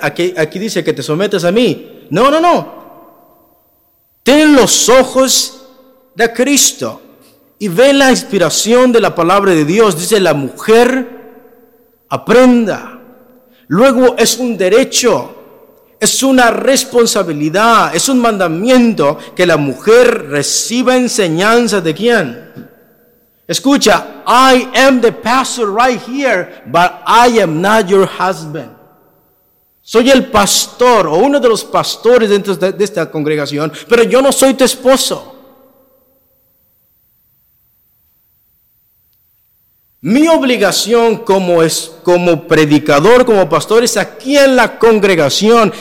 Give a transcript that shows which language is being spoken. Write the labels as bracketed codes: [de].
[es] Aquí dice que te sometes a mí. No, no, no. Ten los ojos de Cristo y ve la inspiración de la palabra de Dios. Dice, la mujer aprenda. Luego es un derecho, es una responsabilidad, es un mandamiento que la mujer reciba enseñanza de quién. Escucha, [en] I am the pastor right here, but I am not your husband. [es] Soy el pastor o uno de los pastores dentro de esta congregación, pero yo no soy tu esposo. Mi obligación como predicador, como pastor, es aquí en la congregación.